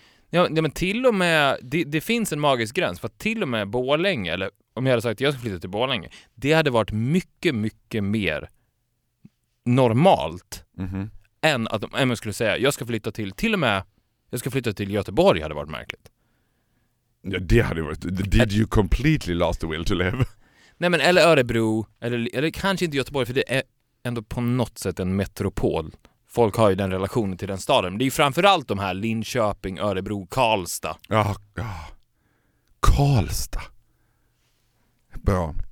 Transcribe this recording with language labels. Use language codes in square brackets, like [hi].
[sv] Ja, men till och med det finns en magisk gräns. För att till och med Borlänge, eller om jag hade sagt att jag ska flytta till Borlänge, det hade varit mycket, mycket mer normalt. Än att man skulle säga jag ska flytta till Göteborg, hade varit märkligt. Ja, det hade varit. [en] Did you completely lost the will to live? [sv] Nej, men eller Örebro, eller kanske inte Göteborg, för det är ändå på något sätt en metropol. Folk har ju den relationen till den staden. Men det är ju framförallt de här Linköping, Örebro, Karlstad. Ja. Karlstad. Bra.